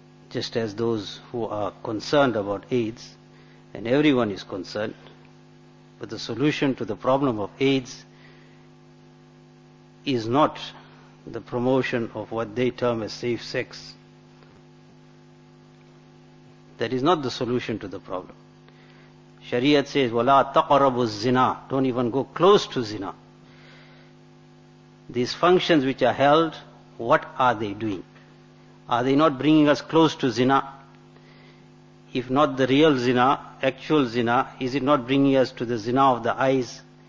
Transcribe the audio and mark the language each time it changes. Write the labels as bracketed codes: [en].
[en] Just as those who are concerned about AIDS, and everyone is concerned, but the solution to the problem of AIDS is not the promotion of what they term as safe sex. That is not the solution to the problem. Shariat says, [ar] وَلَا تَقَرَبُ الزِّنَا. [en] Don't even go close to zina. These functions which are held, what are they doing? Are they not bringing us close to zina? If not the real zina, actual zina, is it not bringing us to the zina of the eyes?